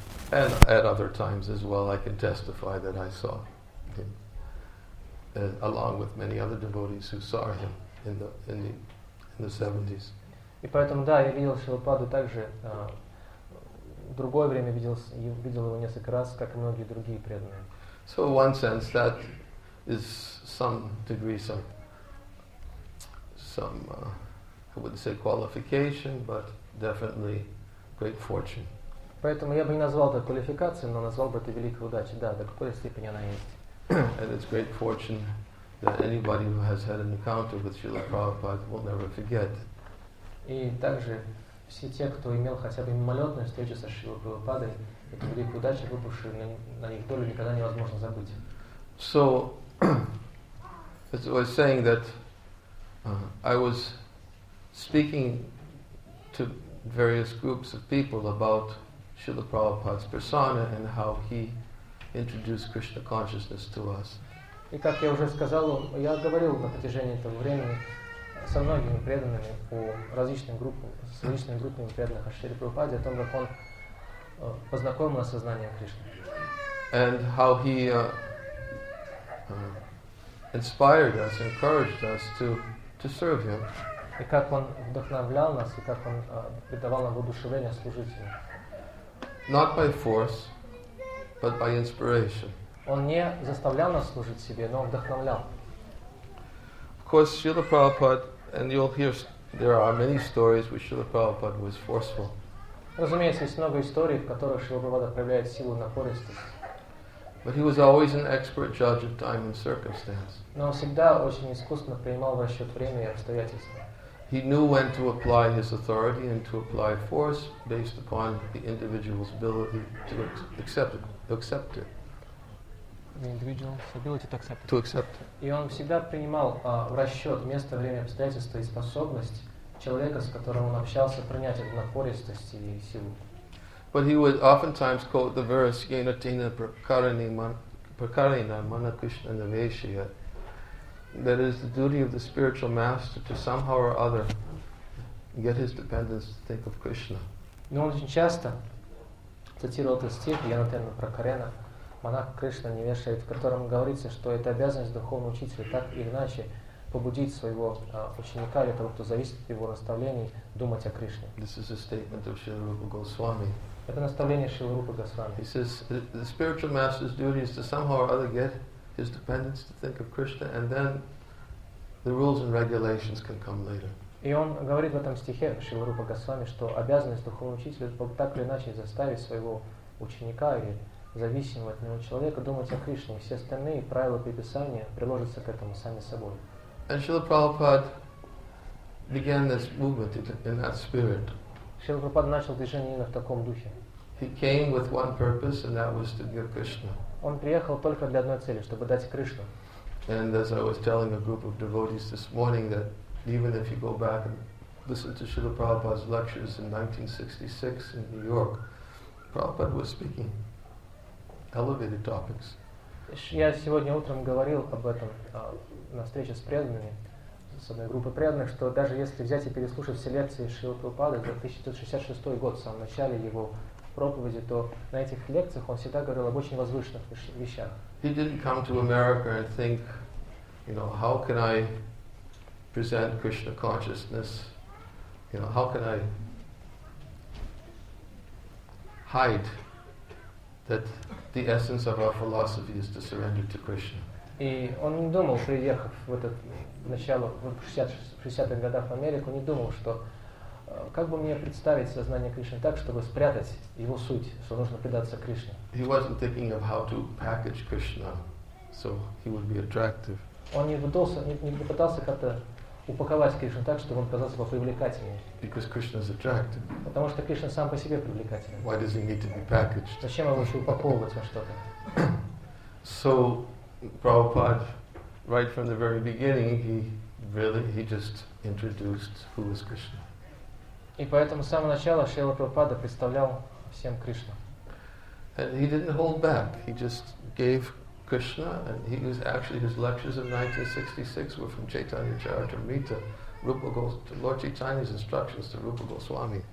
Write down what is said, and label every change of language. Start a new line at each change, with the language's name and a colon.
English: And at other times as well, I can testify that I saw him. Along with many other devotees who saw him in the 70s.
Russian: И поэтому да, я видел Шрилападу также в другое время видел его несколько раз, как и многие другие преданные.
English: So in one sense that is some degree some I wouldn't say qualification, but definitely great fortune.
Russian: Поэтому я бы не назвал это квалификацией, но назвал бы это великой удачей. Да, до какой степени она есть.
English: And it's great fortune that anybody who has had an encounter with Srila Prabhupada will never forget.
Russian: И также все те, кто имел хотя бы мимолетную встречу со Шрилой Прабхупадой, это великая удача, выпавшую на них долю, никогда невозможно забыть.
English: So, as I was saying that I was speaking to various groups of people about Srila Prabhupada's persona and how he introduce Krishna consciousness to us.
Russian: И как я уже сказал, я говорил на протяжении этого времени со многими преданными по различным группам, с различными группами преданных о Шриле Прабхупаде, о том, как он познакомил нас с сознанием Кришны.
English: And how he inspired us, encouraged us to serve him.
Russian: И как он вдохновлял нас, и как он придавал нам воодушевление служить ему.
English: Not by force, but by inspiration.
Russian: Он не заставлял нас служить себе, но вдохновлял.
English: course, Srila Prabhupada, and you'll hear there are many stories where Srila Prabhupada was forceful.
Russian: Разумеется, есть много историй, в которых Шрила Прабхупада проявляет силу напористость.
English: But he was always an expert judge of time and circumstance.
Russian: Но он всегда очень искусно принимал в расчет время и обстоятельства.
English: He knew when to apply his authority and to apply force based upon the individual's ability to accept it. The individual's ability to accept it. To accept it.
Russian: И он всегда принимал в расчет место, время, обстоятельства и способность человека, с которым он общался, принять эту напористость и силу.
English: But he would oftentimes quote the verse
Sanskrit: "Yena Tena Prakarina Mana Krishna Naveshya."
English: That is the duty of the spiritual master to somehow or other get his dependents to think of Krishna.
Russian: Но он очень часто цитировал этот стих
Sanskrit: "Yena Tena Prakarina Mana Krishna Naveshya",
Russian: в котором говорится, что это обязанность духовного учителя так или иначе побудить своего ученика или того, кто зависит от его наставлений, думать о Кришне.
English: This is a statement of Śrīla Rūpa Gosvāmī.
Russian: Это наставление Шрилы Рупы Госвами.
English: He says the spiritual master's duty is to somehow or other get his dependents to think of Krishna, and then the rules and regulations can come later.
Russian: И он говорит в этом стихе Шрилы Рупы Госвами, что обязанность духовного учителя так или иначе заставить своего ученика или зависимого от него человека думать о Кришне, и все остальные правила предписания приложатся к этому сами собой.
English: And Srila Prabhupada began this movement in that spirit.
Russian: Шрила Прабхупада начал движение именно в таком духе.
English: He came with one purpose, and that was to give Krishna.
Russian: Он приехал только для одной цели, чтобы дать Кришну.
English: And as I was telling a group of devotees this morning, that even if you go back and listen to Srila Prabhupada's lectures in 1966 in New York, Prabhupada was speaking elevated topics.
Russian: Я сегодня утром говорил об этом на встрече с преданными, с одной группой преданных, что даже если взять и переслушать все лекции Шрилы Прабхупады за 1966 год, в самом начале его проповеди, то на этих лекциях он всегда говорил об очень возвышенных вещах.
English: He didn't come to America and think, you know, how can I present Krishna consciousness? You know, how can I hide that the essence of our philosophy is to surrender to Krishna?
Russian: И он не думал, приехав в этот начало, в 60-х годах в Америку, не думал, что как бы мне представить сознание Кришны так, чтобы спрятать его суть, что нужно предаться Кришне.
English: He wasn't thinking of how to package Krishna, so he would be attractive.
Russian: Он не пытался как-то упаковать Кришну так, чтобы он казался попривлекательнее.
English: Because Krishna is attractive.
Russian: Потому что Кришна сам по себе привлекательный.
English: Why does he need to be packaged?
Russian: Зачем ему еще упаковывать во что-то?
English: So Prabhupada, right from the very beginning, he just introduced who is Krishna.
Russian: И поэтому с самого начала Шрила Прабхупада представлял всем Кришну.
English: And he didn't hold back. He just gave Krishna, and he was actually his lectures of 1966 were from Chaitanya Charitamrita, Lord Chaitanya's instructions to Rupa Goswami.